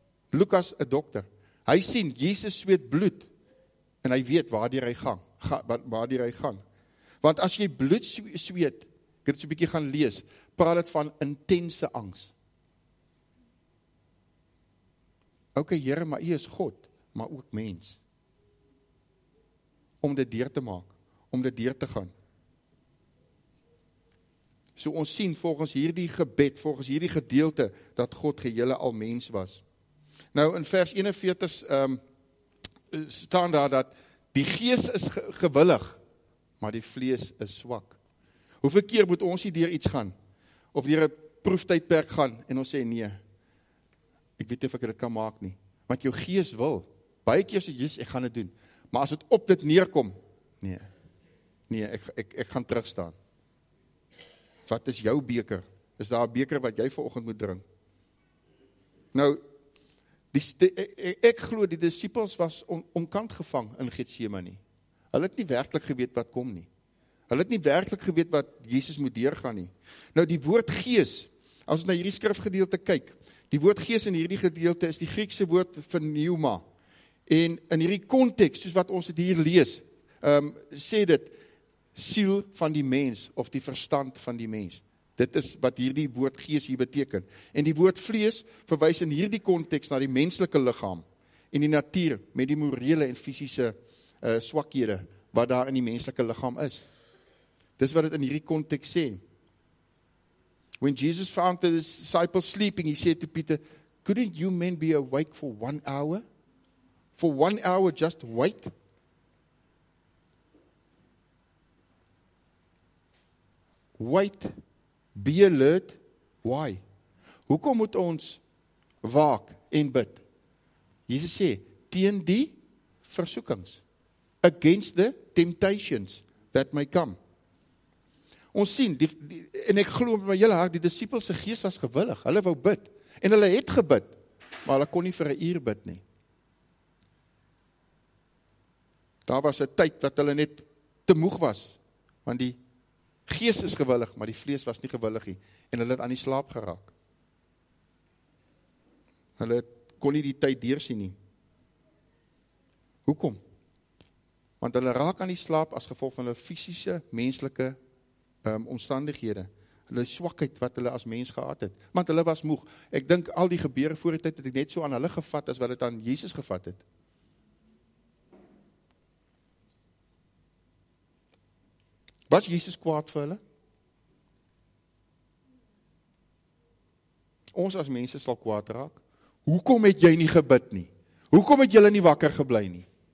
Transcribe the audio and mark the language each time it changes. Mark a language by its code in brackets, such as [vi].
[af] Lukas, 'n dokter. Hy sien, Jesus sweet bloed, en hy weet waardeur hy gaan. Want as jy bloed sweet, ek het so 'n bietjie gaan lees, praat het van intense angs. Ok, Here, maar U is God, maar ook mens. Om dit deur te maak, om dit deur te gaan. So ons sien volgens hierdie gebed, volgens hierdie gedeelte, dat God geheel al mens was. Nou in vers 41 staan daar dat die gees is gewillig, maar die vlees is swak. Hoeveel keer moet ons hier deur iets gaan? Of deur 'n proeftydperk gaan en ons sê nee, ek weet nie of ek dit kan maak nie. Want jou gees wil. Baie keer sê, Jesus, ek gaan dit doen. Maar as het op dit neerkom, ek gaan terugstaan. Wat is jou beker? Is daar 'n beker wat jy vanoggend moet drink? Nou, ek glo die disippels was omkant gevang in Getsemane. Hulle het nie werklik geweet wat kom nie. Hulle het nie werklik geweet wat Jesus moet deurgaan nie. Nou die woord gees, as ons na hierdie skrifgedeelte kyk, die woord gees in hierdie gedeelte is die Griekse woord vir pneuma. En in hierdie context, soos wat ons het hier lees, sê dit, siel van die mens, of die verstand van die mens. Dit is wat hierdie woord gees hier beteken. En die woord vlees verwys in hierdie konteks na die menslike liggaam en die natuur met die morele en fysiese swakhede wat daar in die menslike liggaam is. Dis wat dit in hierdie konteks sê. [en] When Jesus found the disciples sleeping, he said to Peter, couldn't you men be awake for 1 hour? For 1 hour just wait? Wait, be alert, why? [af] Hoekom moet ons waak en bid? Jesus sê, teen die versoekings, [en] against the temptations that may come. [af] Ons sien, en ek glo met my hele hart, die disippels se gees was gewillig, hulle wou bid, en hulle het gebid, maar hulle kon nie vir 'n uur bid nie. Daar was 'n tyd wat hulle net te moeg was, want die gees is gewillig, maar die vlees was nie gewillig nie, en hulle het aan die slaap geraak. Hulle kon nie die tyd deursien nie. Hoekom? Want hulle raak aan die slaap as gevolg van hulle fysiese, menslike omstandighede, hulle swakheid wat hulle as mens gehad het, want hulle was moeg. Ek dink al die gebeure voor die tyd het ek net so aan hulle gevat as wat het aan Jesus gevat het. Was Jesus kwaad vir hulle? Ons as mense sal kwaad raak. Hoekom het jy nie gebid nie? Hoekom het julle nie wakker gebly nie?